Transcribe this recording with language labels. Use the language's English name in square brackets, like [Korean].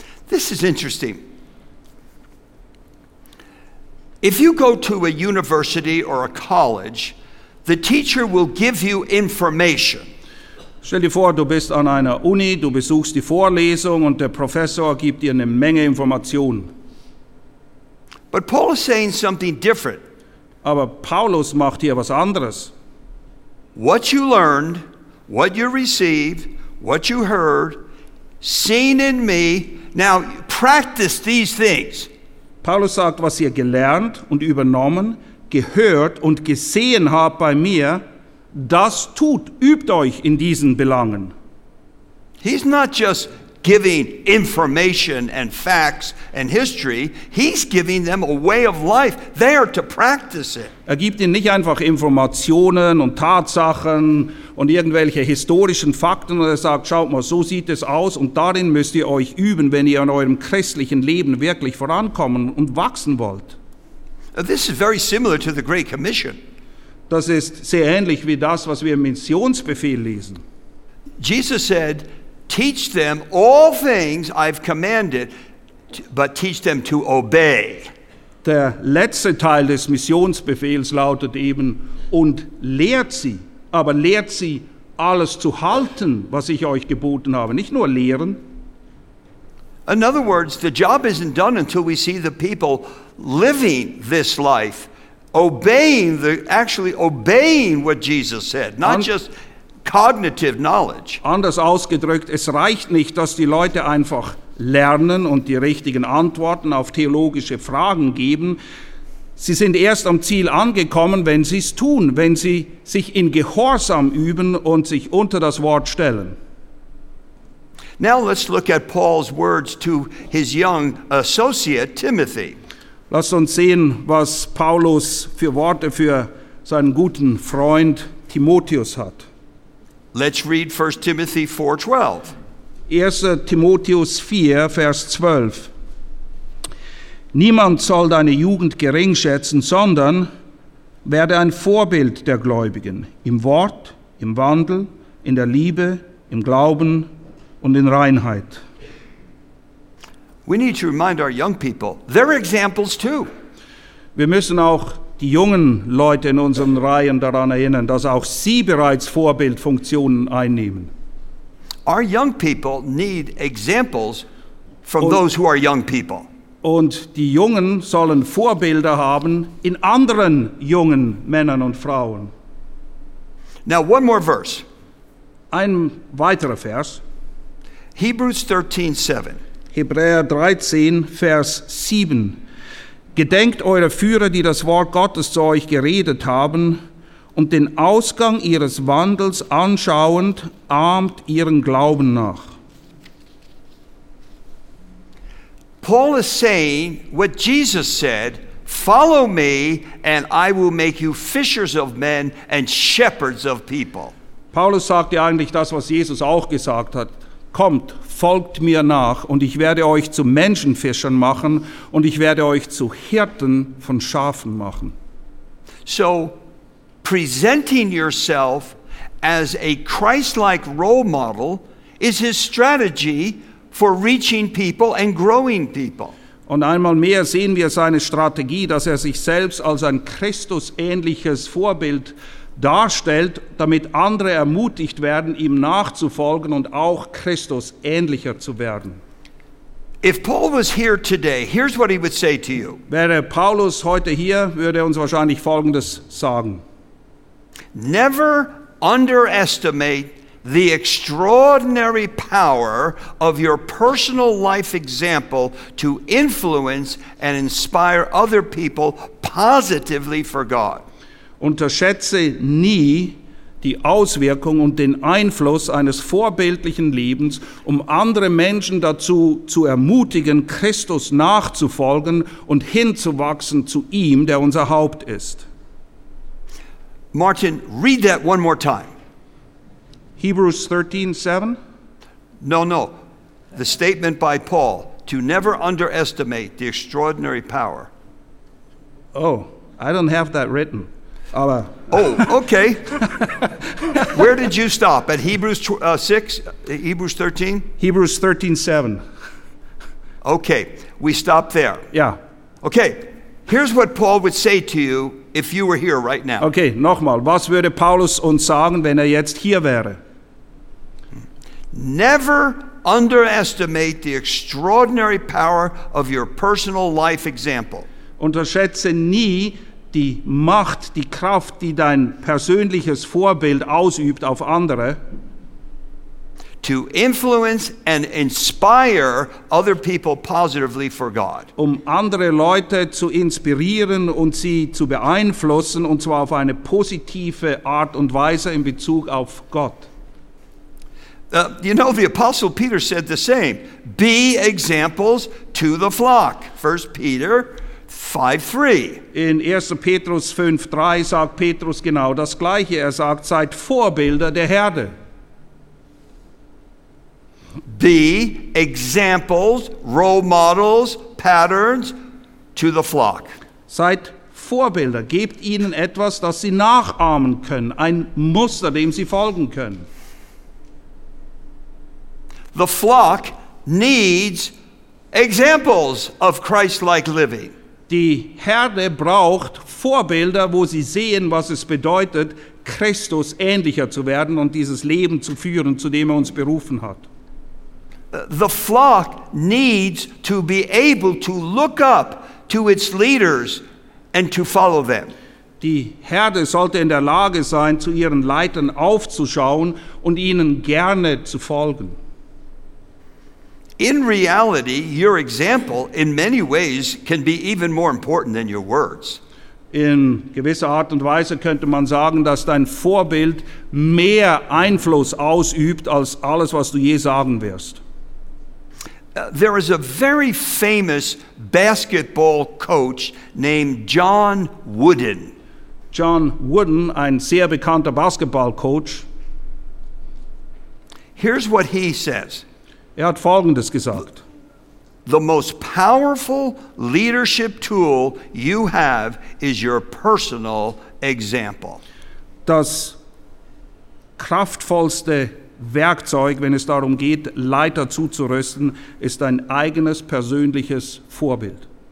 [English] This is interesting. If you go to a university or a college, the teacher will give you information. [German] Stell dir vor, du bist an einer Uni, du besuchst die Vorlesung und der Professor gibt dir eine Menge Informationen. [English] But Paul is saying something different. [German] Aber Paulus macht hier was anderes. [English] What you learned, what you received, what you heard, seen in me, now practice these things. [German] Paulus sagt, was ihr gelernt und übernommen, gehört und gesehen habt bei mir, das tut, übt euch in diesen Belangen. [English] He's not just giving information and facts and history, he's giving them a way of life. They are to practice it. [German] Er gibt ihnen nicht einfach Informationen und Tatsachen und irgendwelche historischen Fakten und er sagt, schaut mal, so sieht es aus und darin müsst ihr euch üben, wenn ihr in eurem christlichen Leben wirklich vorankommen und wachsen wollt. [English] This is very similar to the Great Commission. [German] Das ist sehr ähnlich wie das, was wir im Missionsbefehl lesen. [English] Jesus said, teach them all things I've commanded. but teach them to obey. [German] Der letzte Teil des Missionsbefehls lautet eben, und lehrt sie, aber lehrt sie, alles zu halten, was ich euch geboten habe, nicht nur lehren. [English] In other words, the job isn't done until we see the people living this life, actually obeying what Jesus said, not just cognitive knowledge. [German] Anders ausgedrückt, es reicht nicht, dass die Leute einfach lernen und die richtigen Antworten auf theologische Fragen geben. Sie sind erst am Ziel angekommen, wenn sie es tun, wenn sie sich in Gehorsam üben und sich unter das Wort stellen. [English] Now let's look at Paul's words to his young associate Timothy. [German] Lasst uns sehen, was Paulus für Worte für seinen guten Freund Timotheus hat. [English] Let's read 1 Timothy 4:12. [German] 1. Timotheus 4, Vers 12. Niemand soll deine Jugend geringschätzen, sondern werde ein Vorbild der Gläubigen im Wort, im Wandel, in der Liebe, im Glauben und in Reinheit. [English] We need to remind our young people, they're examples too. [German] Wir müssen auch die jungen Leute in unseren Reihen daran erinnern, dass auch sie bereits Vorbildfunktionen einnehmen. [English] Our young people need examples from those who are young people. [German] Und die Jungen sollen Vorbilder haben in anderen jungen Männern und Frauen. [English] Now one more verse. [German] Ein weiterer Vers. [English] Hebrews 13:7. [German] Hebräer 13, Vers 7. Gedenkt eurer Führer, die das Wort Gottes zu euch geredet haben, und den Ausgang ihres Wandels anschauend, ahmt ihren Glauben nach. [English] Paul is saying what Jesus said, follow me and I will make you fishers of men and shepherds of people. [German] Paulus sagt ja eigentlich das, was Jesus auch gesagt hat. Kommt, folgt mir nach und ich werde euch zu Menschenfischern machen und ich werde euch zu Hirten von Schafen machen. [English] So, presenting yourself as a Christ-like role model is his strategy for reaching people and growing people. [German] Und einmal mehr sehen wir seine Strategie, dass er sich selbst als ein Christus-ähnliches Vorbild darstellt, damit andere ermutigt werden, ihm nachzufolgen und auch Christus ähnlicher zu werden. [English] If Paul was here today, here's what he would say to you. [German] Wäre Paulus heute hier, würde er uns wahrscheinlich Folgendes sagen. [English] Never underestimate the extraordinary power of your personal life example to influence and inspire other people positively for God. [German] Unterschätze nie die Auswirkung und den Einfluss eines vorbildlichen Lebens, um andere Menschen dazu zu ermutigen, Christus nachzufolgen und hinzuwachsen zu ihm, der unser Haupt ist. [English] Martin, read that one more time. Hebrews 13:7. No. The statement by Paul, to never underestimate the extraordinary power. Oh, I don't have that written. [German] Aber [English] oh, okay. Where did you stop? At Hebrews 6? Hebrews 13? Hebrews 13:7. Okay, we stop there. Yeah. Okay, here's what Paul would say to you if you were here right now. [German] Okay, nochmal. Was würde Paulus uns sagen, wenn jetzt hier wäre? [English] Never underestimate the extraordinary power of your personal life example. [German] Unterschätze nie die Macht, die Kraft, die dein persönliches Vorbild ausübt auf andere. [English] To influence and inspire other people positively for God. [German] Um andere Leute zu inspirieren und sie zu beeinflussen, und zwar auf eine positive Art und Weise in Bezug auf Gott. [English] You know, the Apostle Peter said the same. Be examples to the flock. 1 Peter 5:3. [German] In 1. Petrus 5:3 sagt Petrus genau das Gleiche. Er sagt, seid Vorbilder der Herde. [English] Be examples, role models, patterns to the flock. [German] Seid Vorbilder. Gebt ihnen etwas, das sie nachahmen können. Ein Muster, dem sie folgen können. [English] The flock needs examples of Christ-like living. [German] Die Herde braucht Vorbilder, wo sie sehen, was es bedeutet, Christus ähnlicher zu werden und dieses Leben zu führen, zu dem er uns berufen hat. [English] The flock needs to be able to look up to its leaders and to follow them. [German] Die Herde sollte in der Lage sein, zu ihren Leitern aufzuschauen und ihnen gerne zu folgen. [English] In reality, your example in many ways can be even more important than your words. [German] In gewisser Art und Weise könnte man sagen, dass dein Vorbild mehr Einfluss ausübt als alles, was du je sagen wirst. [English] There is a very famous basketball coach named John Wooden. [German] John Wooden, ein sehr bekannter Basketballcoach. [English] Here's what he says. [German] Er hat Folgendes gesagt. [English] The most powerful leadership tool you have is your personal example. [German] Das kraftvollste Werkzeug, wenn es darum geht, Leiter zuzurüsten, ist dein eigenes persönliches Vorbild.